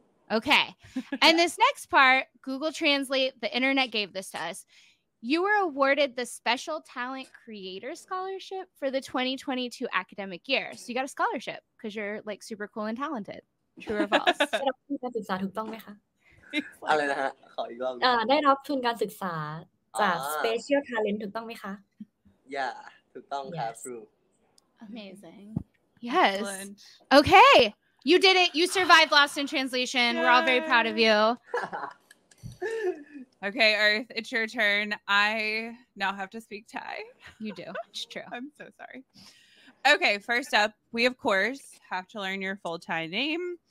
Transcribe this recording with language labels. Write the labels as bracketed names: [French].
[English] Okay. And this next part, Google Translate, the internet gave this to us. You were awarded the Special Talent Creator Scholarship for the 2022 academic year. So you got a scholarship because you're like super cool and talented. True or false? [Thai] การศึกษาถูกต้องไหมคะ อะไรนะฮะขออีกรอบ ได้รับทุนการศึกษาจาก Special Talent ถูกต้องไหมคะ [English] Yeah, [Thai] ถูกต้องครับ [English] True. Amazing. Yes. Excellent. Okay. You did it. You survived Lost in Translation. We're all very proud of you. Okay, Earth, it's your turn. I now have to speak Thai. You do. It's true. I'm so sorry. Okay, first up, we, of course, have to learn your full Thai name.